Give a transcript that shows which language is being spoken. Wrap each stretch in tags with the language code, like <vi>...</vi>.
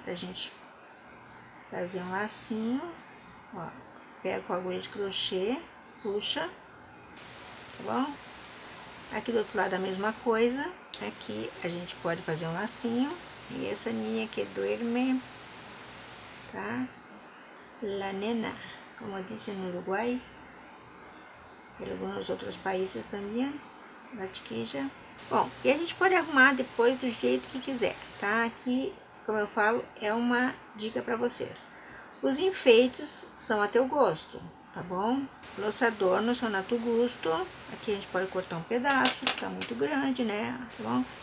<pt>Pra gente fazer um lacinho. Ó, pega com a agulha de crochê, puxa, tá bom? Aqui do outro lado a mesma coisa. Aqui a gente pode fazer um lacinho. E essa linha aqui é do Hermé, tá?</pt> <es>La nena, como dicen en Uruguay. Em alguns outros países também. La chiquilla.</es> <pt>Bom, e a gente pode arrumar depois do jeito que quiser, tá? Aqui, como eu falo, é uma dica para vocês. Os enfeites são a teu gosto, tá bom? Os adornos são a teu gosto. Aqui a gente pode cortar um pedaço, tá muito grande, né? Tá bom?</pt>